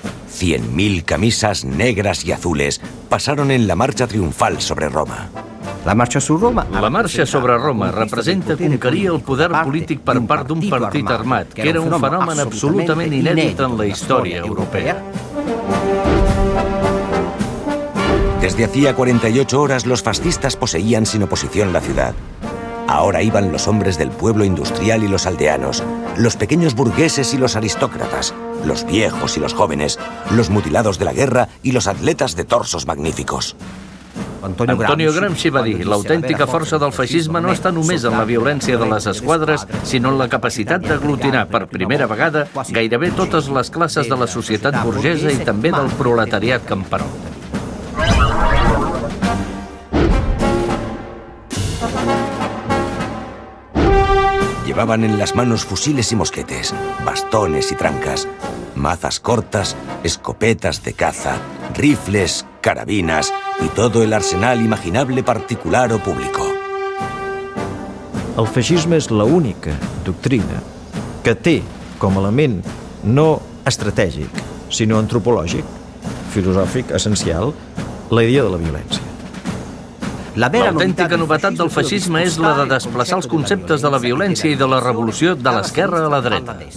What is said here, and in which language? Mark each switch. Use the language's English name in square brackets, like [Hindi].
[Spanish] 100.000 camisas negras y azules pasaron en la marcha triunfal sobre Roma. La marcha sobre Roma. [Catalan] La marcha sobre Roma representa conquerir el poder polític per part d'un partit armat, que era un fenomen absolutament inèdit en la història europea. [Spanish] Desde hacía 48 horas los fascistas poseían sin oposición la ciudad. Ahora iban los hombres del pueblo industrial y los aldeanos, los pequeños burgueses y los aristócratas, los viejos y los jóvenes, los mutilados de la guerra y los atletas de torsos magníficos. [Catalan] Antonio Gramsci va dir: l'autèntica força del feixisme no està només en la violència de les esquadres, sinó en la capacitat d'aglutinar, per primera vegada, gairebé totes les classes de la societat burgesa i també del proletariat camperol. [Spanish] Llevaban en las manos fusiles y mosquetes, bastones y trancas, mazas cortas, escopetas de caza, rifles, carabinas y todo el arsenal imaginable particular o público. [Catalan] El feixisme és la única doctrina que té com a element no estratègic, sinó antropològic, filosòfic, essencial, la idea de la violència. L'autèntica novetat del feixisme és la de desplaçar els conceptes de la violència i de la revolució de l'esquerra a la dreta.